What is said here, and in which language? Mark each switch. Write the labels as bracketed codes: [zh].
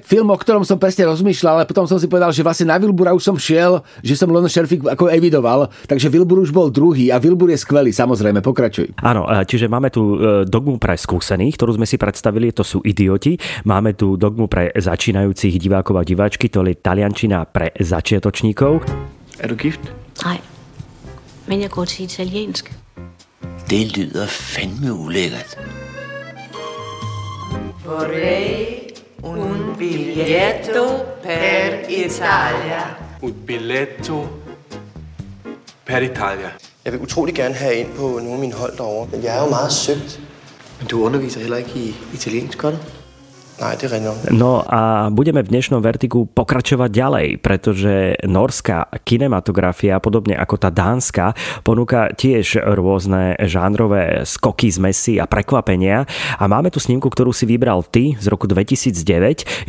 [sk] film, o ktorom som presne rozmýšľal, ale potom som si povedal, že vlastne na Wilbura už som šiel, že som Lon Scherfig ako evidoval, takže Wilbur už bol druhý a Wilbur je skvelý, samozrejme, pokračuj. Áno, čiže máme tu dogmu pre skúsených, ktorú sme si predstavili, to sú Idioti. Máme tu dogmu pre začínajúcich divákov a diváčky, to je taliančina pre začiatočníkov. [da] Er du gift? Nej, men jeg går til italiensk. Det lyder fandme ulækkert. [it] Vorrei un biglietto per Italia. Un biglietto per Italia. [da] Jeg vil utrolig gerne have ind på nogle af mine hold derovre, men jeg er jo meget søgt. Men du underviser heller ikke i italiensk, gør du? [sk] No a budeme v dnešnom Vertigu pokračovať ďalej, pretože norská kinematografia, podobne ako tá dánska, ponúka tiež rôzne žánrové skoky, zmesy a prekvapenia. A máme tu snímku, ktorú si vybral ty z roku 2009.